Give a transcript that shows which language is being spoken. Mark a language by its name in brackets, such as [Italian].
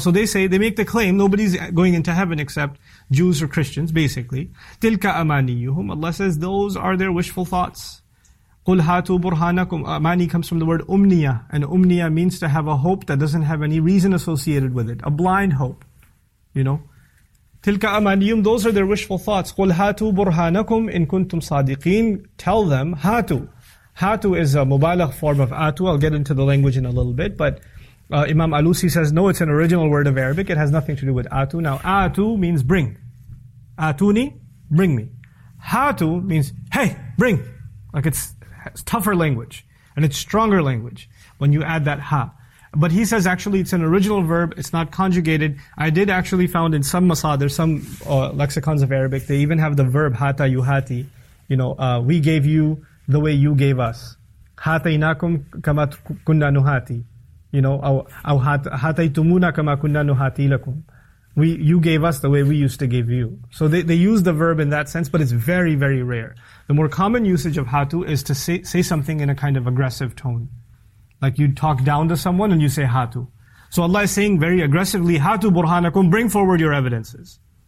[English] So they say, they make the claim, nobody's going into heaven except Jews or Christians, basically. [Arabic] تلك أمانيهم. [English] Allah says, those are their wishful thoughts. [Arabic] قل هاتوا برهانكم. [English] أماني comes from the word أمنية. And أمنية means to have a hope that doesn't have any reason associated with it. A blind hope, you know. [Arabic] تلك أمانيهم. [English] Those are their wishful thoughts. [Arabic] قل هاتوا برهانكم إن كنتم صادقين. [English] Tell them, هاتوا. هاتوا is a مبالغ form of آتوا. I'll get into the language in a little bit, but Imam Alusi says, no, it's an original word of Arabic. It has nothing to do with atu. Now, atu means bring. Atuni, bring me. Hatu means, hey, bring. Like it's tougher language. And it's stronger language when you add that ha. But he says, actually, it's an original verb. It's not conjugated. I did actually found in some masadir, some lexicons of Arabic, they even have the verb hata yuhati. You know, we gave you the way you gave us. [Arabic] Hatainakum kamat kunna nuhati. [English] You know, [Arabic] أو هاتيتمونا كما كنا نهاتي لكم. [English] You gave us the way we used to give you. So they use the verb in that sense, but it's very, very rare. The more common usage of hatu is to say something in a kind of aggressive tone. Like you talk down to someone and you say hatu. So Allah is saying very aggressively, [Arabic] hatu burhanakum, [English] bring forward your evidences.